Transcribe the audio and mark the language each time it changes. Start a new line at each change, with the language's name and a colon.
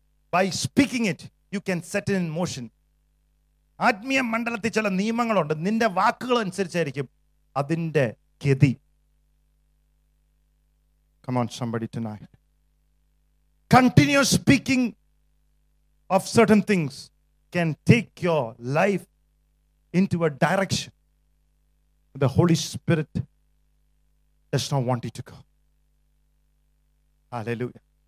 English: By speaking it, you can set it in motion.
Malayalam: ആത്മീയ മണ്ഡലത്തിൽ ചില നിയമങ്ങളുണ്ട്. നിന്റെ വാക്കുകൾ അനുസരിച്ചായിരിക്കും അതിൻ്റെ ഗതി.
English: Come on, somebody tonight. Continuous speaking of certain things can take your life into a direction the Holy Spirit does not want it to go. Hallelujah.